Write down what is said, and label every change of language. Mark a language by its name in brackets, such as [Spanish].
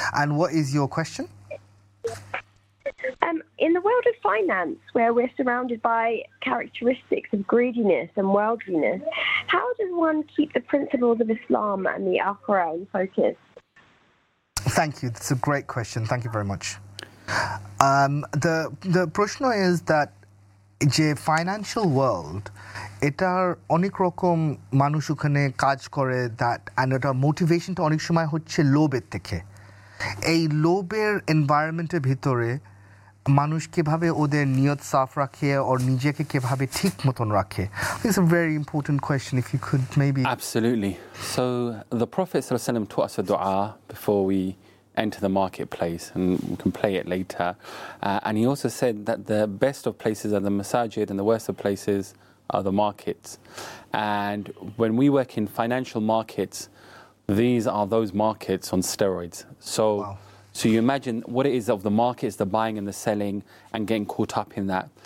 [English] And what is your question? In the world of finance, where we're surrounded by characteristics of greediness and worldliness, how does one keep the principles of Islam and the Akhira in focus? Thank you. That's a great question. Thank you very much. The proshno is that the financial world, [Bangla] এটার অনেক রকম মানুষ ওখানে কাজ করে that and এটার মোটিভেশনটা অনেক সময় হচ্ছে লোভের থেকে এই লোভের এনভায়রনমেন্টের ভিতরে মানুষ কীভাবে ওদের নিয়ত সাফ রাখে আর নিজেকে কীভাবে ঠিক মতন রাখে [English] It's a very important question if you could maybe absolutely so the prophet সাল্লাল্লাহু আলাইহি ওয়া সাল্লাম to us a দুআ before we enter the marketplace, and we can play it later. And he also said that the best of places are the masajid and the worst of places are the markets. And when we work in financial markets, these are those markets on steroids. So, wow. So you imagine what it is of the markets, the buying and the selling, and getting caught up in that.